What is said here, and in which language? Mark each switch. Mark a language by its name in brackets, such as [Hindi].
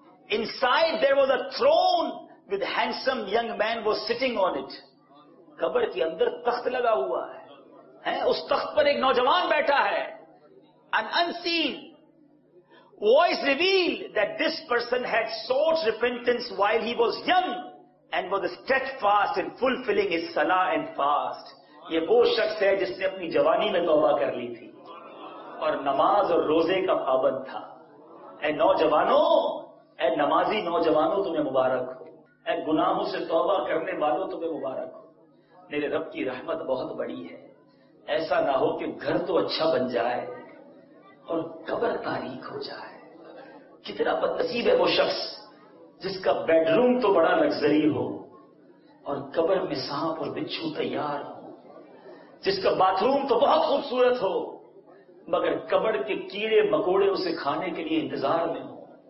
[English] Inside there was a throne with handsome young man was sitting on it. [Urdu] قبر کے اندر تخت لگا ہوا ہے، اس تخت پر ایک نوجوان بیٹھا ہے. [English] An unseen voice revealed that this person had sought repentance while he was young and was steadfast in fulfilling his salah and fast. [Urdu] یہ وہ شخص ہے جس نے اپنی جوانی میں توبہ کر لی تھی، اور نماز اور روزے کا پابند تھا. اے نوجوانوں, اے نمازی نوجوانوں, تمہیں مبارک ہو. اے گناہوں سے توبہ کرنے والوں, تمہیں مبارک ہو. میرے رب کی رحمت بہت بڑی ہے. ایسا نہ ہو کہ گھر تو اچھا بن جائے اور قبر تاریک ہو جائے. کتنا بدنصیب ہے وہ شخص جس کا بیڈ روم تو بڑا لگژری ہو اور قبر میں سانپ اور بچھو تیار ہو, جس کا باتھ روم تو بہت خوبصورت ہو مگر قبر کے کیڑے مکوڑے اسے کھانے کے لیے انتظار میں ہو.